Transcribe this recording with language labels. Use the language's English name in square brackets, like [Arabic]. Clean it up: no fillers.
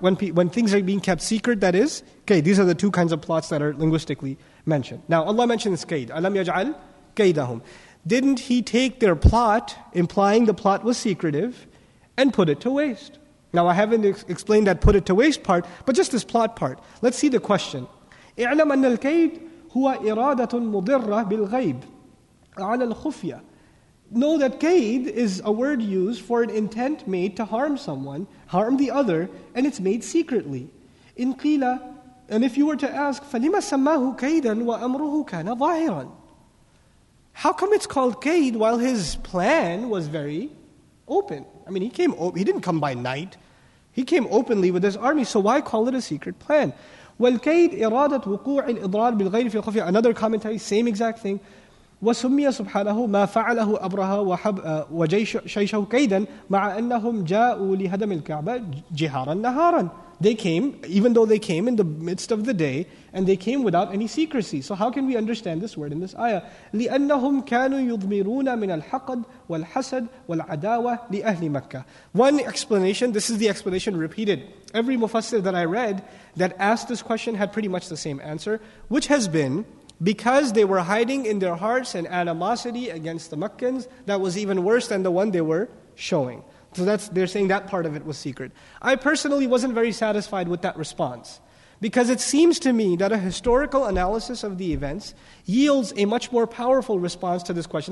[English] When things are being kept secret, that is kaid. These are the two kinds of plots that are linguistically mentioned. Now, Allah mentions kaid. [Arabic] أَلَمْ يَجْعَلْ كَيْدَهُمْ [English] Didn't He take their plot, implying the plot was secretive, and put it to waste? Now, I haven't explained that put it to waste part, but just this plot part. Let's see the question. [Arabic] اعلم أن الكيد هو إرادة مضرة بالغيب على الخفية. [English] Know that كيد is a word used for an intent made to harm someone, harm the other, and it's made secretly. [Arabic] إن قيل, [English] and if you were to ask, [Arabic] فلما سماه كيدا وأمره كان ظاهرا. [English] How come it's called كيد while his plan was very open? I mean, he didn't come by night. He came openly with his army, so why call it a secret plan? [Arabic] والكيد إرادة وقوع الإضرار بالغير في الخفية. [English] Another commentary, same exact thing. [Arabic] وسمي سبحانه ما فعله أبرهة وجيشه كيدا مع أنهم جاءوا لهدم الكعبة جهارا نهارا. [English] They came, even though they came in the midst of the day, and they came without any secrecy. So how can we understand this word in this ayah? [Arabic] لأنهم كانوا يضمرون من الحقد والحسد والعداوة لأهل مكة. [English] One explanation, this is the explanation repeated. Every mufassir that I read that asked this question had pretty much the same answer, which has been because they were hiding in their hearts an animosity against the Meccans that was even worse than the one they were showing. So that's, they're saying that part of it was secret. I personally wasn't very satisfied with that response, because it seems to me that a historical analysis of the events yields a much more powerful response to this question.